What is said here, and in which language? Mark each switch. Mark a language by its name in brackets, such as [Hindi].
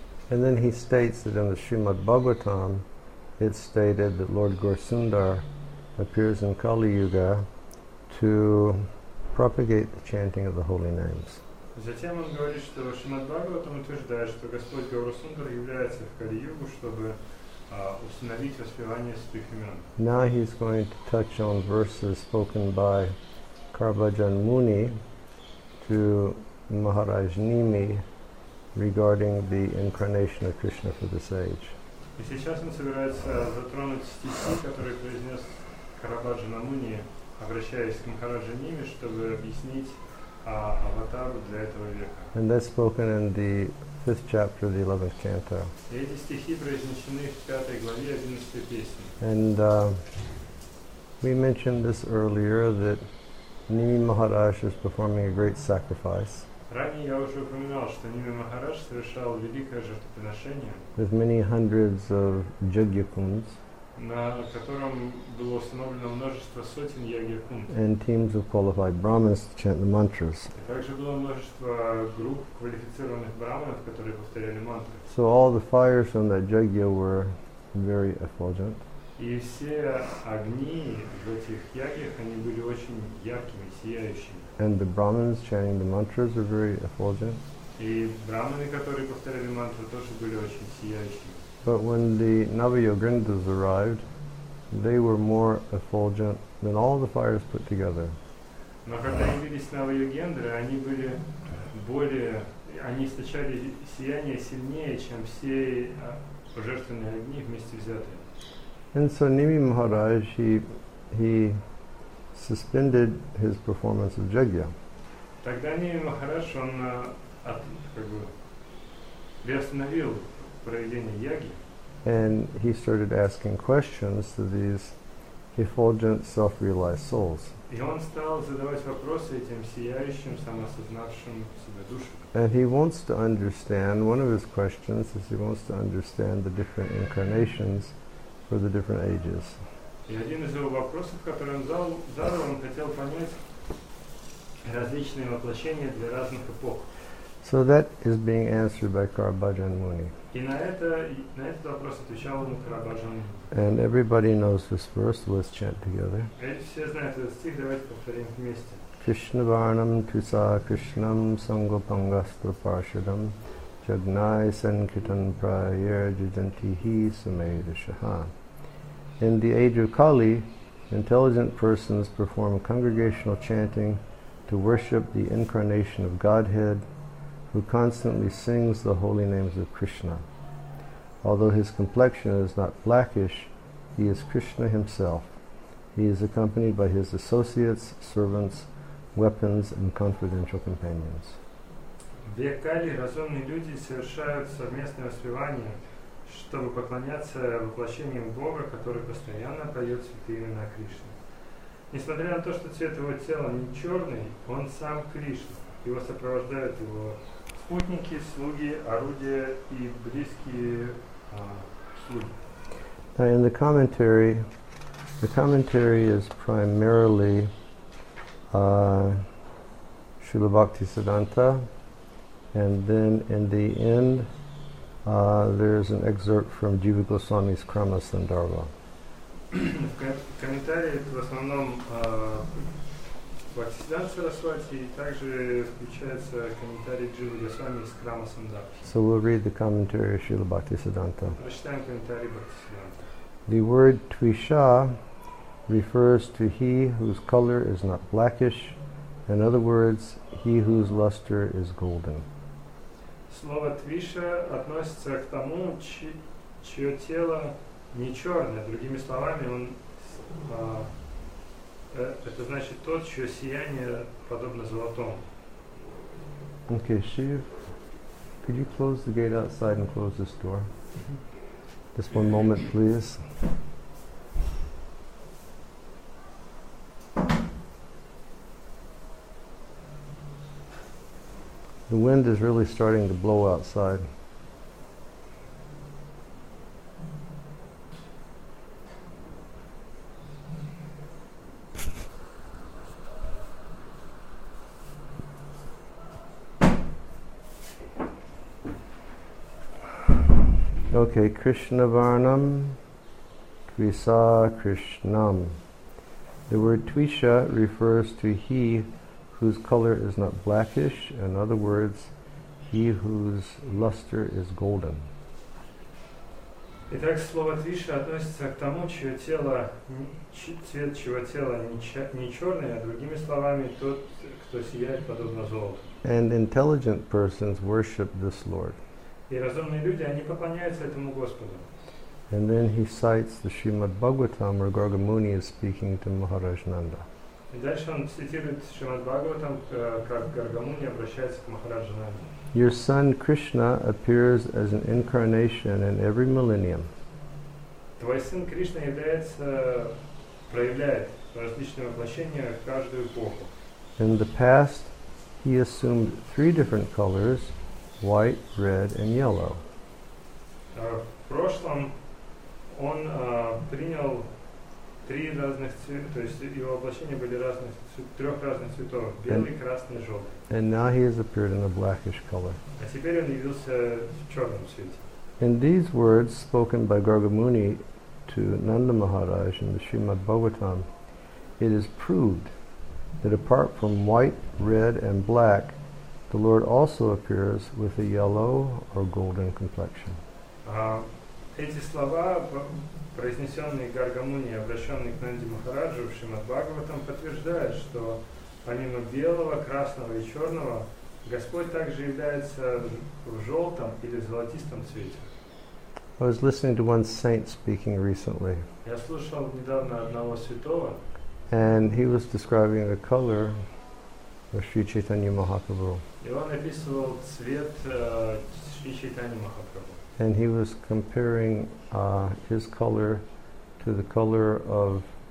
[English] And then he states that in the Srimad Bhagavatam, it's stated that Lord Gaurisundar appears in Kali Yuga to propagate the chanting of the holy names. [Russian] Затем он говорит, что Шримад Бхагаватам утверждает, что Господь Гаурасундара является в Кали-Югу, чтобы установить воспевание святых имен. [English] Now he's going to touch on verses spoken by Karbhajan Muni to Maharaj Nimi regarding the incarnation of Krishna for this age. [Russian] И сейчас он собирается затронуть стихи, которые произнес Карабаджана Муни, обращаясь к Махараджа Ними, чтобы объяснить аватар для этого века. [English] And that's spoken in the fifth chapter of the 11th canto. [Russian] Эти стихи произнесены в пятой главе 11 песни. [English] And we mentioned this earlier that Nimi Maharaj is performing a great sacrifice. [Russian] Ранее я уже упоминал, что Nimi Maharaj совершал великое жертвоприношение. [English] With many hundreds of jagyakuns. [Russian] На котором было установлено множество сотен ягьякун. [English] And teams of qualified brahmins to chant the mantras. [Russian] И также было множество групп квалифицированных брахманов, которые повторяли мантры. [English] So all the fires from that jagya were very effulgent. [Russian] И все огни в этих ягьях, они были очень яркими, сияющими. [English] And the brahmins chanting the mantras were very effulgent. [Russian] И брахманы, которые повторяли мантры, тоже были очень сияющими. [English] But when the Navayogrindas arrived, they were more effulgent than all the fires put together. [Russian] Но когда явились Навайогендры, они были более, они источали сияние сильнее, чем все жертвенные огни вместе взятые. [English] And so Nimi Maharaj, he suspended his performance of jagya. [Russian] Тогда Nimi Maharaj, он приостановил проведение яги. [English] And he started asking questions to these effulgent self-realized souls. [Russian] И он стал задавать вопросы этим сияющим, самосознавшим себя душам. [English] And he wants to understand, one of his questions is he wants to understand the different incarnations for the different ages. [Russian] И один из его вопросов, который он задал, он хотел понять различные воплощения для разных эпох. [English] So that is being answered by Karabhajan Muni. [Russian] И на этот вопрос отвечал ему Карабаджан. [English] And everybody knows this verse, let's chant together. [Russian] Все знают этот стих, давайте повторим вместе. [Sanskrit] Krishna Varnam Tusa Krishnam Sangopangastra Parshadam Jagnai Sankirtan Prayer Jajantihi Sumedashaha. [English] In the age of Kali, intelligent persons perform congregational chanting to worship the incarnation of Godhead who constantly sings the holy names of Krishna. Although his complexion is not blackish, he is Krishna himself. He is accompanied by his associates, servants, weapons and confidential companions. [Russian] В век Кали разумные люди совершают совместное воспевание, чтобы поклоняться воплощениям Бога, который постоянно поет святые имена Кришны. Несмотря на то, что цвет его тела не черный, он сам Кришна. Его сопровождают его спутники, слуги, орудия и близкие слуги. [English] Now in the commentary is primarily Śrīla Bhaktisiddhānta, and then in the end there is an excerpt from Jīva Goswāmī's Krama Sandarbha. [Russian] Комментарии в основном Bhaktisiddhānta Sarasvati, и также включается комментарий Jīva Goswāmī's Krama Sandarbha. [English] So we'll read the commentary of Śrīla Bhaktisiddhānta. [Russian] Прочитаем комментарий Bhaktisiddhānta. [English] The word Tvīṣā refers to he whose color is not blackish, in other words, he whose luster is golden. [Russian] Слово твиша относится к тому, чье тело не черное. Другими словами, он это значит тот, чье сияние подобно золотому. [English] Okay, Shiv, could you close the gate outside and close this door? Just one moment, please. The wind is really starting to blow outside. Okay, Krishna Varnam Tvisa Krishnam. The word Tvisha refers to he whose color is not blackish, in other words, he whose luster is golden. [Russian] Итак, слово твиша относится к тому, чье тело, цвет чего тела не черный, а другими словами, тот, кто сияет подобно золоту. [English] And intelligent persons worship this Lord. [Russian] И разумные люди, они поклоняются этому Господу. [English] And then he cites the Srimad Bhagavatam, where Garga Muni is speaking to Maharaj Nanda. [Russian] И дальше он цитирует Шримад Бхагаватам, как Гаргамуни обращается к Махараджа Нанде. [English] Your son Krishna appears as an incarnation in every millennium. [Russian] Твой сын Кришна является, проявляет различные воплощения в каждую эпоху. [English] In the past, he assumed three different colors, white, red, and yellow. [Russian] В прошлом он принял три разных цвета, то есть его воплощения были трех разных цветов, белый, красный, желтый. [English] And now he has appeared in a blackish color. [Russian] А теперь он явился в черном цвете. [English] In these words, spoken by Garga Muni to Nanda Maharaj in the Srimad Bhagavatam, it is proved that apart from white, red, and black, the Lord also appears with a yellow or golden complexion. [Russian] Эти слова, произнесенные Гарга Муни, обращенные к Нанди Махараджу в Шримад Бхагаватам, подтверждают, что помимо белого, красного и черного, Господь также является в желтом или золотистом цвете. [English] I was listening to one saint speaking recently. [Russian] Я слушал недавно одного святого. [English] And he was describing the color of Sri Chaitanya Mahaprabhu. [Russian] И он описывал цвет Шри Чайтаньи Махапрабху. [English] And he was comparing his color to the color of